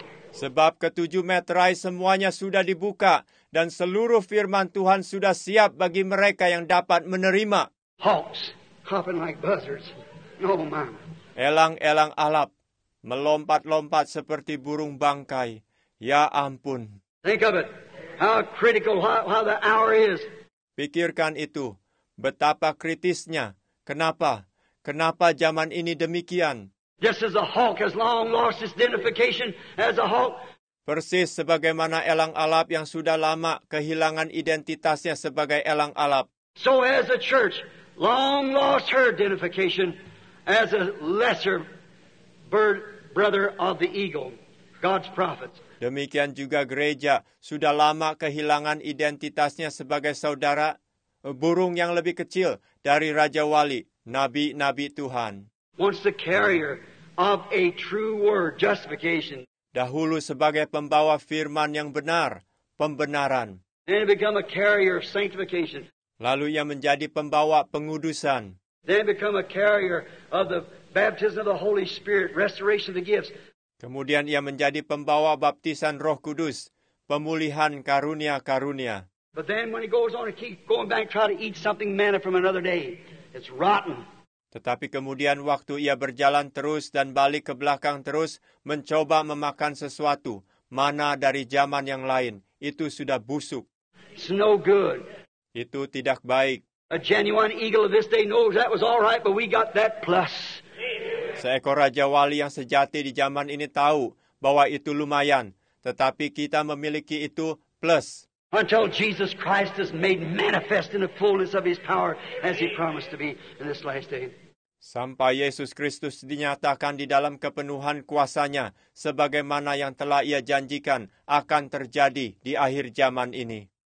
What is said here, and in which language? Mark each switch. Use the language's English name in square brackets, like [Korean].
[Indonesian] Sebab ketujuh meterai semuanya sudah dibuka dan seluruh firman Tuhan sudah siap bagi mereka yang dapat menerima. [English] Hawks hopping like buzzards. No man. [Indonesian] Elang-elang alap melompat-lompat seperti burung bangkai. Ya ampun. [English] Think of it. How critical how the hour is. [Indonesian] Pikirkan itu. Betapa kritisnya. Kenapa? Kenapa zaman ini demikian? [English] Just as a hawk has long lost its identification as a hawk. [Indonesian] Persis sebagaimana elang alap yang sudah lama kehilangan identitasnya sebagai elang alap. [English] So has the church long lost her identification as a lesser bird brother of the eagle, God's prophets. [Indonesian] Demikian juga gereja sudah lama kehilangan identitasnya sebagai saudara burung yang lebih kecil dari Raja Wali, nabi-nabi Tuhan. [English] Once the carrier of a true word, justification. [Indonesian] Dahulu sebagai pembawa firman yang benar, pembenaran. [English] Then become a carrier of sanctification. [Indonesian] Lalu ia menjadi pembawa pengudusan. [English] Then become a carrier of the baptism of the Holy Spirit, restoration of the gifts. [Indonesian] Kemudian ia menjadi pembawa baptisan Roh Kudus, pemulihan karunia-karunia. [English] But then when he goes on to keep going back, try to eat something manna from another day, it's rotten. [Indonesian] Tetapi kemudian waktu ia berjalan terus dan balik ke belakang terus, mencoba memakan sesuatu, manna dari zaman yang lain, itu sudah busuk. [English] It's no good. [Indonesian] Itu tidak baik. [English] A genuine eagle of this day knows that was all right, but we got that plus. [Indonesian] Seekor Raja Wali yang sejati di zaman ini tahu bahwa itu lumayan, tetapi kita memiliki itu plus. [English] Until Jesus Christ is made manifest in the fullness of his power as he promised to be in this last day. [Indonesian] Sampai Yesus Kristus dinyatakan di dalam kepenuhan kuasanya sebagaimana yang telah ia janjikan akan terjadi di akhir zaman ini.